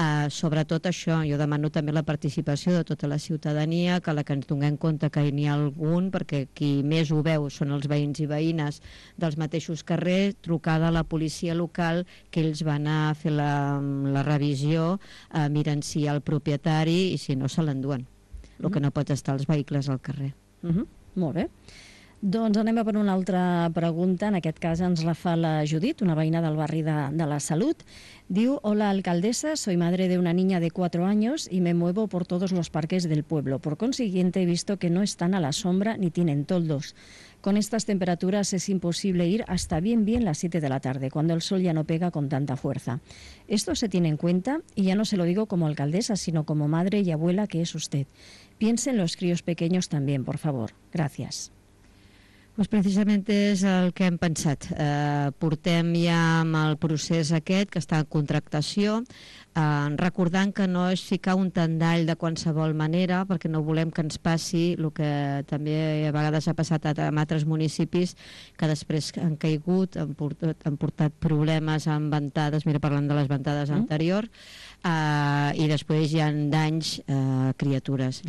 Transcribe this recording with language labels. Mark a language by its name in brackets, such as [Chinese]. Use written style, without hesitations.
[Catalan] Sobretot això, jo demano també la participació de tota la ciutadania, que la que ens donem compte que n'hi ha algun, perquè qui més ho veu són els veïns i veïnes dels mateixos carrers, trucada a la policia local, que ells van a fer la revisió, miren si hi ha el propietari i si no se l'enduen. El que no pot estar els vehicles al carrer. Molt bé. Doncs anem a per una altra pregunta. En aquest cas ens la fa la Judit, una veïna del barri de la Salut. Diu: hola, alcaldessa, [Spanish] soy madre de una niña de 4 años y me muevo por todos los parques del pueblo. Por consiguiente, he visto que no están a la sombra ni tienen toldos. Con estas temperaturas es imposible ir hasta bien bien las 7 de la tarde, cuando el sol ya no pega con tanta fuerza. Esto se tiene en cuenta, y ya no se lo digo como alcaldesa, sino como madre y abuela que es usted. Piensen los críos pequeños también, por favor. Gracias. [Catalan] Pues precisament és el que hem pensat. Portem ja amb el procés aquest, que està en contractació, recordant que no és ficar un tendall de qualsevol manera, perquè no volem que ens passi el que també a vegades ha passat en altres municipis, que després han caigut, han portat problemes amb ventades, mira, parlant de les ventades anteriors, i després hi ha danys a criatures.